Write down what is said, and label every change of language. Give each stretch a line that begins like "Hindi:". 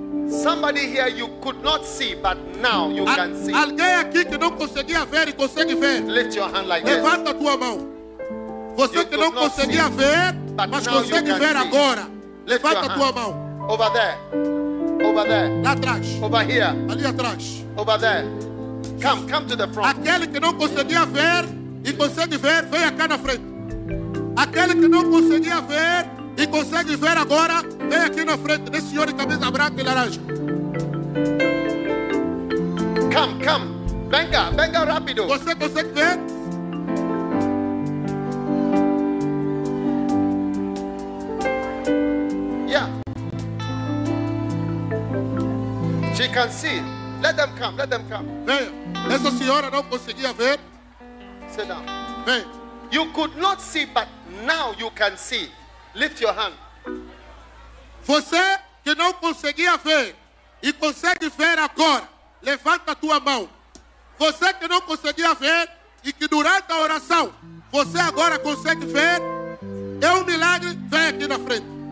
English: Somebody here you could not see, but now you can see.
Portuguese: Alguém aqui que não conseguia ver e consegue ver.
English: Lift your hand like
Portuguese: Levanta A tua mão. Você
English: you
Portuguese: que não conseguia
English: see,
Portuguese: ver, mas consegue ver see. Agora. Levanta a tua mão.
English: Over there. Over there.
Portuguese: Lá atrás.
English: Over here.
Portuguese: Ali atrás.
English: Over there. Come, come to the front.
Portuguese: Aquele que não conseguia ver e consegue ver, vem cá na frente. Aquele que não conseguia ver e consegue ver agora, vem aqui na frente desse senhor de camisa branca e laranja.
English: Come, come.
Spanish: Venga, venga rápido.
Portuguese: Você consegue ver?
English: Yeah. She can see. Let them come, let them come.
Portuguese: Vem. Essa senhora não conseguia ver.
English: Sit down.
Portuguese: Vem.
English: You could not see, but now you can see. Lift your hand.
Portuguese: Você que não conseguia ver e consegue ver agora, levanta a tua mão. Você que não conseguia ver e que durante a oração você agora consegue ver, é um milagre, vem aqui na frente.